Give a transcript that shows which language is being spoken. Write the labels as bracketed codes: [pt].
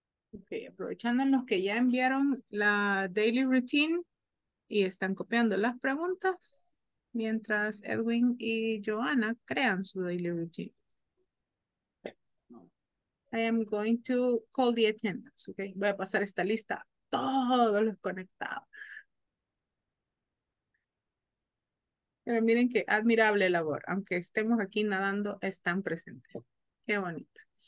[es] Okay, aprovechando en los que ya enviaron la daily routine y están copiando las preguntas, mientras Edwin y Joanna crean su daily routine. [en] I am going to call the attendance, okay? [es] Voy a pasar esta lista a todos los conectados. Pero miren qué admirable labor, aunque estemos aquí nadando, están presentes. Qué bonito.